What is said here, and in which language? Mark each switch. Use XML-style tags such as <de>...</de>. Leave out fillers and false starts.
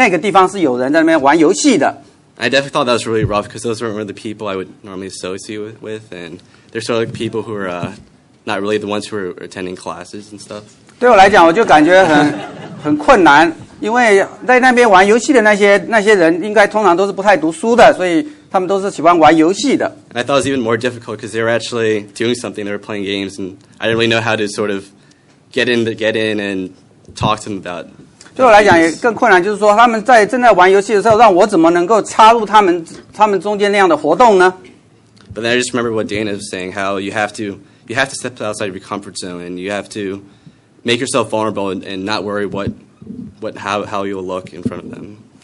<zh>我就被分派到跟有一个人同一个组要去，好像在这个游戏的房间里头，在那个地方是有人在那边玩游戏的。</zh> <en>I definitely thought that was really rough because those weren't really the people I would normally associate with, and they're sort of like people who are not really the ones who are attending classes and stuff.</en> <zh>对我来讲，我就感觉很困难，因为在那边玩游戏的那些人，应该通常都是不太读书的，所以他们都是喜欢玩游戏的。</zh> <en>And I thought it was even more difficult because they were actually doing something; they were playing games, and I didn't really know how to sort of get in and talk to them about.</en> <zh>对我来讲也更困难，就是说他们在正在玩游戏的时候，让我怎么能够插入他们中间那样的活动呢？</zh> <en>But then I just remember what Dana was saying, how you have to step outside of your comfort zone, and you have to make yourself vulnerable and not worry how you'll look in front of them.</en>